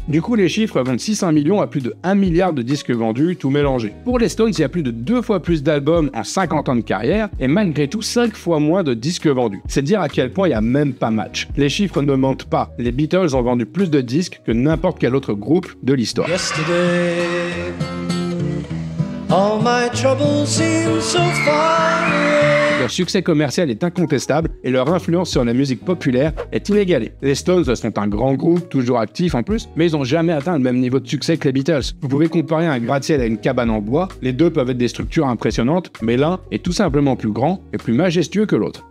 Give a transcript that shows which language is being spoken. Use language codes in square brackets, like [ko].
[fr] Du coup, les chiffres vont de 600 millions à plus de 1 milliard de disques vendus, tout mélangé. Pour les Stones, il y a plus de 2 fois plus d'albums en 50 ans de carrière, et malgré tout, 5 fois moins de disques vendus. C'est dire à quel point il n'y a même pas match. Les chiffres ne mentent pas. Les Beatles ont vendu plus de disques que n'importe quel autre groupe de l'histoire. [en] Yesterday, all my troubles seem so far away. [fr] Leur succès commercial est incontestable et leur influence sur la musique populaire est inégalée. Les Stones sont un grand groupe, toujours actif en plus, mais ils n'ont jamais atteint le même niveau de succès que les Beatles. Vous pouvez comparer un gratte-ciel à une cabane en bois, les deux peuvent être des structures impressionnantes, mais l'un est tout simplement plus grand et plus majestueux que l'autre.